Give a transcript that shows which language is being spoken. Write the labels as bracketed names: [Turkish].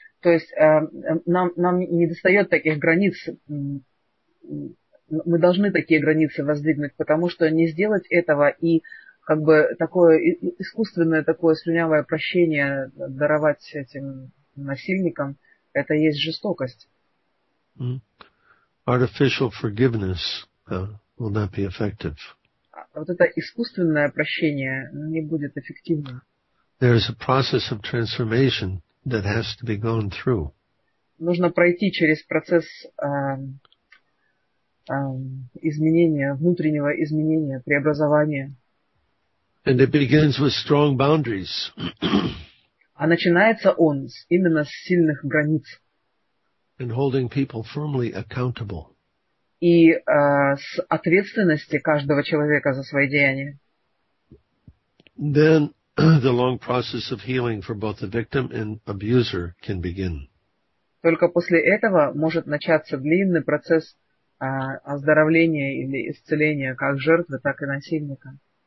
[Russian] То есть нам не достает таких границ. Мы должны такие границы воздвигнуть, потому что не сделать этого и как бы такое искусственное, такое слюнявое прощение даровать этим насильникам, это есть жестокость. [English] Artificial forgiveness will not be effective. [Russian] Вот это искусственное прощение не будет эффективно. [English] There is a process of transformation that has to be gone through. [Russian] Нужно пройти через процесс изменения, внутреннего изменения, преобразования. [English] And it begins with strong boundaries. [Russian] А начинается он именно с сильных границ. [English] And holding people firmly accountable. [Russian] И с ответственности каждого человека за свои деяния. [English] Then the long process of healing for both the victim and abuser can begin. [Russian] Только после этого может начаться длинный процесс оздоровления или исцеления как жертвы, так и насильника.